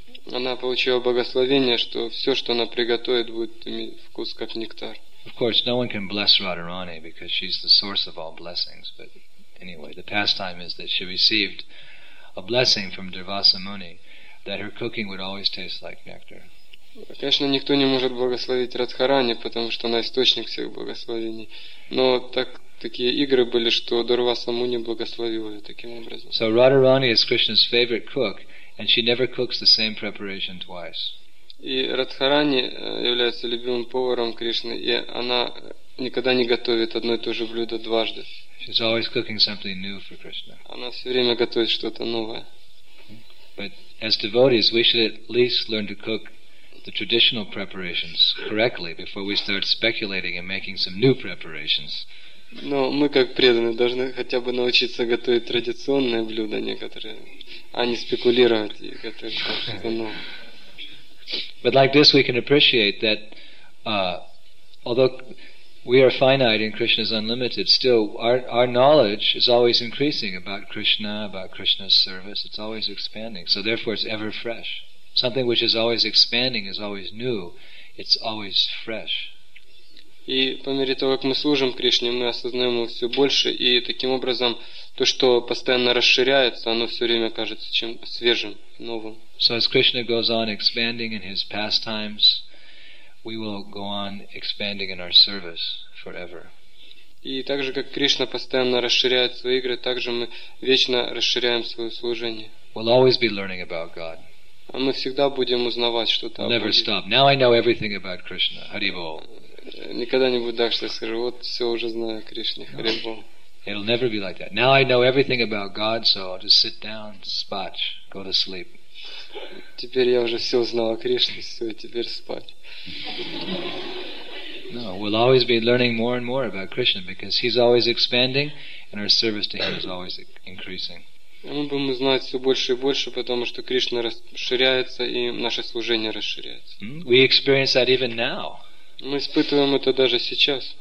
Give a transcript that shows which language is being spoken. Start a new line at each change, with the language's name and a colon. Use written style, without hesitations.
Russian: Она получила благословение, что все, что она приготовит, будет иметь вкус как нектар.
English: Of course, no one can bless Radharani because she's the source of all blessings. But anyway, the pastime is that she received a blessing from Durvasa Muni that her cooking would always taste like nectar.
Russian: Конечно, никто не может благословить Радхарани, потому что она источник всех благословений. Но так такие игры были, что Дурваса Муни благословила ее таким образом.
English: So Radharani is Krishna's favorite cook, and she never cooks the same preparation twice.
Russian: И Радхарани является любимым поваром Кришны, и она никогда не готовит одно и то же блюдо дважды.
English: She's always cooking something new for Krishna.
Russian: Она все время готовит что-то новое.
English: But as devotees, we should at least learn to cook the traditional preparations correctly before we start speculating and making some new preparations.
Russian: Но мы, как преданные, должны хотя бы научиться готовить традиционные блюда некоторые, а не спекулировать и готовить что-то новое.
English: But like this we can appreciate that although we are finite and Krishna is unlimited, still our knowledge is always increasing about Krishna's service. It's always expanding. So therefore it's ever fresh. Something which is always expanding is always new. It's always fresh.
Russian: И по мере того, как мы служим Кришне, мы осознаем его все больше, и таким образом то, что постоянно расширяется, оно все время кажется чем свежим, новым.
English: So as Krishna goes on expanding in his pastimes, we will go on expanding in our service forever.
Russian: И так же, как Кришна постоянно расширяет свои игры, так же мы вечно расширяем свое служение.
English: We'll always be learning about God.
Russian: А мы всегда будем узнавать что-то о Боге.
English: Never stop. Now I know everything about Krishna. Haribol.
Russian: Никогда не буду так, что я скажу, вот все уже знаю о Кришне. Haribol.
English: It'll never be like that. Now I know everything about God, so I'll just sit down, spach, go to sleep.
Russian: Теперь я уже все узнал о Кришне, все, теперь спать.
English: No, we'll always be learning more and more about Krishna because he's always expanding and our service to him is always increasing.
Russian: Мы будем узнать все больше и больше, потому что Кришна расширяется и наше служение расширяется.
English: We experience that even now.
Russian: Мы испытываем это даже сейчас.